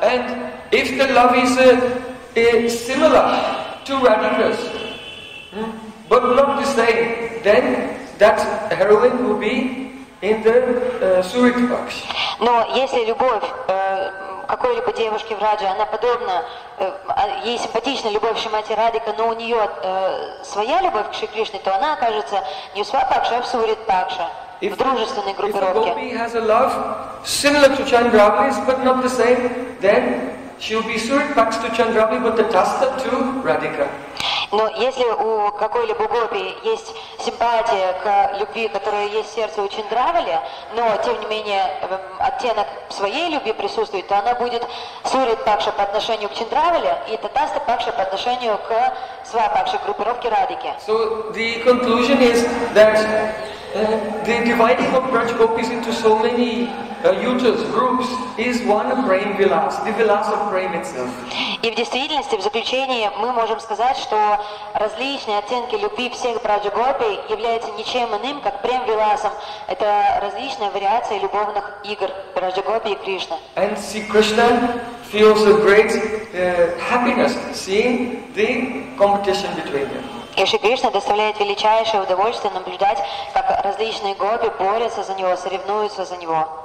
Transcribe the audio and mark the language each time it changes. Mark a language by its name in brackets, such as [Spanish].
[English] And if the love is similar to Radhika's, but not the same, then that heroine will be in the Surit Paksh. [Russian] Но если любовь какой-либо девушки в Раджа, она подобна, ей симпатична любовь к Шримати Радика, но у нее своя любовь к Шри Кришне, то она окажется не в Сва Пакша, а в Сурит Пакша, в дружественной группировке. [English] If the gopi has a love similar to Chandravali's, but not the same, then she'll be Surit Paksh to Chandravali, but the Tasta to Radhika. [Russian] Но если у какой-либо гопи есть симпатия к любви, которая есть в сердце у Чандравали, но, тем не менее, оттенок своей любви присутствует, то она будет Сурит Пакша по отношению к Чандравали и Татаста Пакша по отношению к Сва Пакша, группировке Радики. [English] So the conclusion is that the dividing of Braj Gopis into so many yutas, groups, is one prem vilas, the vilas of prem itself. [Russian] И в действительности, в заключении, мы можем сказать, что различные оттенки любви всех браджа-гопи являются ничем иным, как прем-виласом. Это различные вариации любовных игр браджа-гопи и Кришны. [English] And see, Krishna feels a great happiness seeing the competition between them. [Russian] И Шри Кришна доставляет величайшее удовольствие наблюдать, как различные гопи борются за него, соревнуются за него.